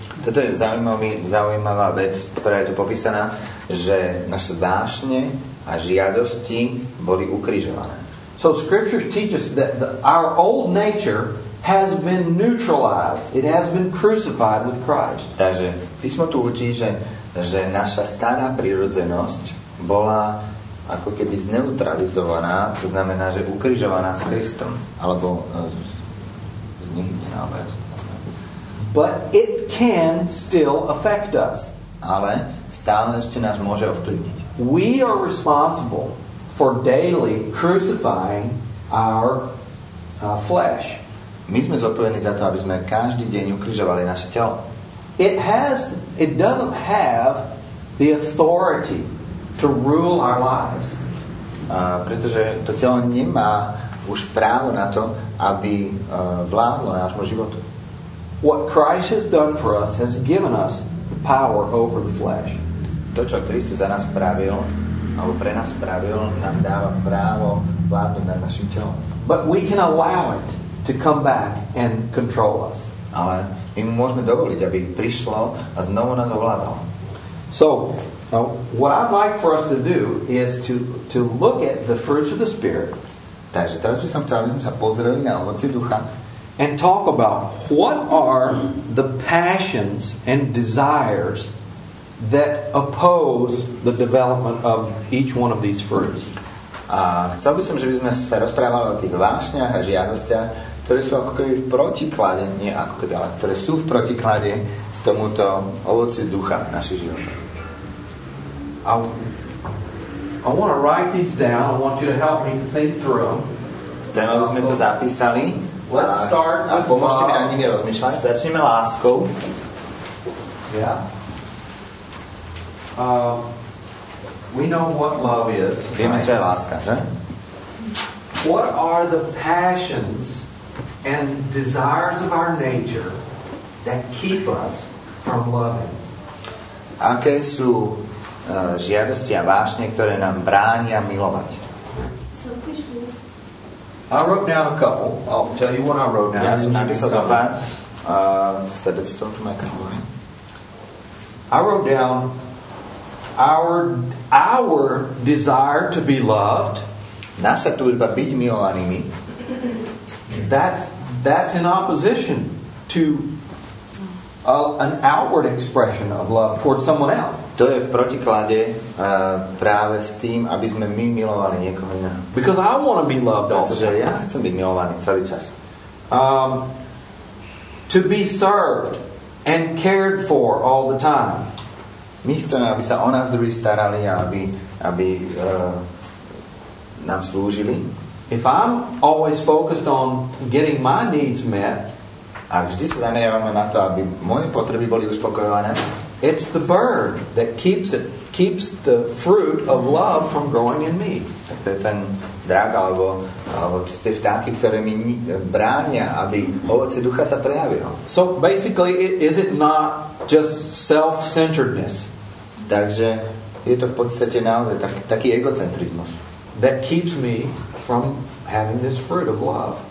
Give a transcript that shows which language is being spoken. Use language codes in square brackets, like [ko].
[sk] Toto je zaujímavá vec, ktorá je tu popísaná, že naše vášne a žiadosti boli ukrižované. [en] So scriptures teach us that our old nature has been neutralized. It has been crucified with Christ. [sk] Takže písmo tu učí, že naša stará prirodzenosť bola ako keby zneutralizovaná, to znamená, že ukrižovaná s Kristom, alebo z nich nenávajúc. [en] But it can still affect us. [sk] Ale stále ešte nás môže ovplyvniť. [en] We are responsible for daily crucifying our flesh. [sk] My sme zodpovední za to, aby sme každý deň ukrižovali naše telo. [en] It doesn't have the authority to rule our lives. [sk] Pretože to telo nemá už právo na to, aby vládlo nášmu životu. [en] What Christ has done for us has given us the power over the flesh. [sk] To, čo Kristus za nás spravil, alebo pre nás spravil, nám dáva právo vládnuť nad našim telom. [en] But we can allow it to come back and control us. [sk] Ale my mu môžeme dovoliť, aby prišlo a znovu nás ovládalo. [en] So, what I'd like for us to do is to look at the fruits of the Spirit. [sk] Takže teraz by som chcel, aby sme sa pozreli na ovoci ducha. [en] And talk about what are the passions and desires that oppose the development of each one of these fruits. [sk] A chcel by som, že by sme sa rozprávali o tých vášňach a žiadostiach, ktoré sú ako keby v protiklade, nie ako keby, ale ktoré sú v protiklade tomuto ovoci ducha v našich životech. [en] I want to write these down. I want you to help me to think through them. [sk] Chcem, aby sme to zapísali. [en] Let's start [sk] a pomôžte mi na nimi rozmýšľať. Začneme láskou. [en] Yeah. We know what love is. [sk] Vieme, čo je láska, že? [en] What are the passions and desires of our nature that keep us from loving? [sk] Aké sú žiadosti a vášne, ktoré nám bránia milovať? [en] I wrote down a couple. I'll tell you what I wrote down. [sk] Ja som napísal zo pár. Sebectvo, to ma kažu. [en] I wrote down our desire to be loved. [sk] Naša túžba byť milovanými. [en] That's in opposition to an outward expression of love toward someone else. [sk] To je v protiklade práve s tým, aby sme my milovali niekoho iného. [en] Because I want to be loved also. [sk] Pretože ja chcem byť milovaný celý čas. [en] To be served and cared for all the time. [sk] My chceme, aby sa o nás druhí starali a aby nám slúžili. [en] If I'm always focused on getting my needs met, [sk] a vždy sa zameriavame na to, aby moje potreby boli uspokojované, [en] it's the bird that keeps the fruit of love from growing in me. [sk] Tak to je ten drak, alebo to sú tie vtáky, ktoré mi bránia, aby ovoce ducha sa prejavilo. [en] So basically, is it not just self-centeredness? [sk] Takže je to v podstate naozaj taký egocentrizmus. [en] That keeps me from having this fruit of love.